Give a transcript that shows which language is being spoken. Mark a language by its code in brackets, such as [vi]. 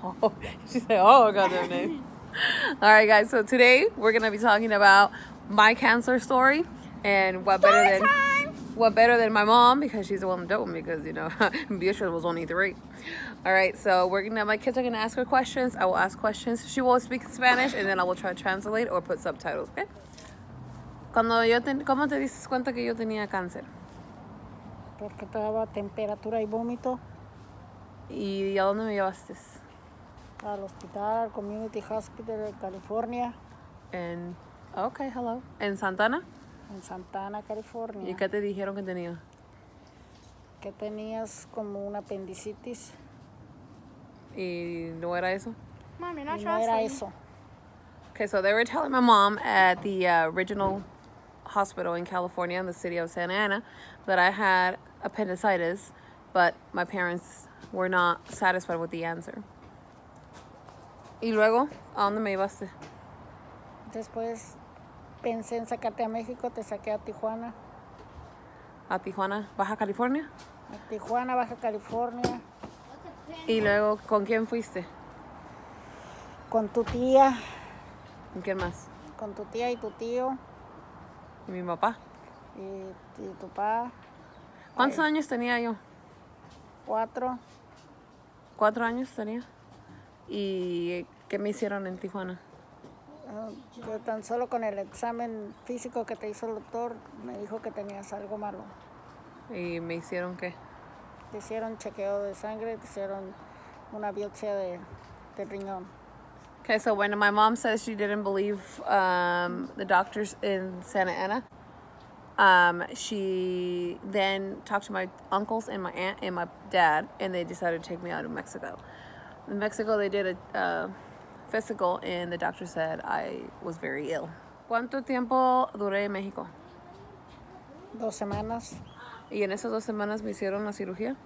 [en] Oh, she said, oh, I got her name. All right, guys, so today we're going to be talking about my cancer story and what better than my mom, because she's the one that dealt with me, because, you know, Beatrice was only 3. All right, so my kids are going to ask her questions. I will ask questions. She will speak Spanish, and then I will try to translate or put subtitles, okay? [es] ¿Cómo te diste cuenta que yo tenía cáncer? Porque estaba temperatura y vómito. ¿Y a dónde me llevaste? Al hospital, Community Hospital de California. ¿En Santana? En Santana, California. ¿Y qué te dijeron que tenía? Que tenías como una apendicitis. ¿Y no era eso? Mami, no era eso. [en] Okay, so they were telling my mom at the original hospital in California, in the city of Santa Ana, that I had appendicitis, but my parents were not satisfied with the answer. [es] ¿Y luego? ¿A dónde me llevaste? Después pensé en sacarte a México, te saqué a Tijuana. ¿A Tijuana, Baja California? A Tijuana, Baja California. ¿Y luego con quién fuiste? Con tu tía. ¿Con quién más? Con tu tía y tu tío. ¿Y mi papá? Y tu papá. ¿Cuántos años tenía yo? 4. ¿4 años tenía? ¿Y qué me hicieron en Tijuana? Yo tan solo con el examen físico que te hizo el doctor, me dijo que tenías algo malo. ¿Y me hicieron qué? Te hicieron chequeo de sangre, te hicieron una biopsia de riñón. [en] Okay, so when my mom says she didn't believe the doctors in Santa Ana, she then talked to my uncles and my aunt and my dad, and they decided to take me out of Mexico. In Mexico, they did a physical, and the doctor said I was very ill. [es] ¿Cuánto tiempo duré en México? 2 semanas. ¿Y en esas 2 semanas me hicieron la cirugía?